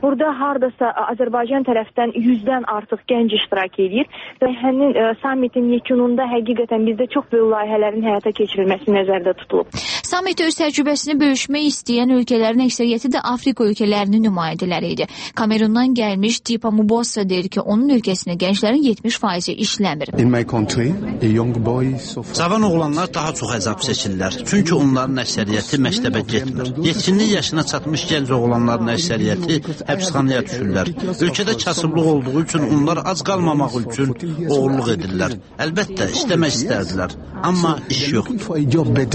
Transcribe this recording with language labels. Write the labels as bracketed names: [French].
[Azerbaijani] Burada hardasa Azərbaycan tərəfdən 100-dən artıq gənc iştirak edir və həmin sammitin yekununda həqiqətən bizdə çox böyük layihələrin həyata keçirilməsi nəzərdə tutulub. Sammit öz təcrübəsini bölüşmək istəyən ölkələrin əksəriyyəti də Afrika ölkələrinin nümayəndələri idi. Kamerundan gəlmiş Dipa Mubosa deyir ki, onun ölkəsində gənclərin 70% işləmir. [English] In my country, a young boy suffer. [Azerbaijani] Cavan oğlanlar daha çox əzab çəkirlər. Çünki onların əksəriyyəti məktəbə getmir. 7-ci yaşına çatmış gənc oğlanların əksəriyyəti həbsxanaya düşürlər. Ölkədə kasıblıq olduğu üçün onlar az qalmamaq üçün oğurluq edirlər. Əlbəttə, işləmək istərdilər, amma iş yoxdur.